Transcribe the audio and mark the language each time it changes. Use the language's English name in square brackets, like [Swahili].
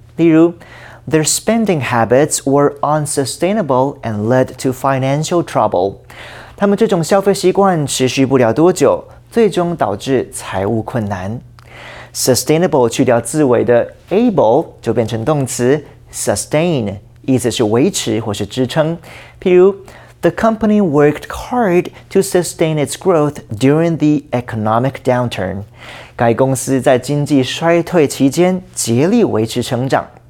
[Chinese] 例如 [English] ,their spending habits were unsustainable and led to financial trouble. [Chinese] 他们这种消费习惯持续不了多久,最终导致财务困难。 Sustainable 去掉字尾的 able 就变成动词 sustain, 意思是维持或是支撑。譬如 [English] ,the company worked hard to sustain its growth during the economic downturn. [Chinese] 该公司在经济衰退期间竭力维持成长。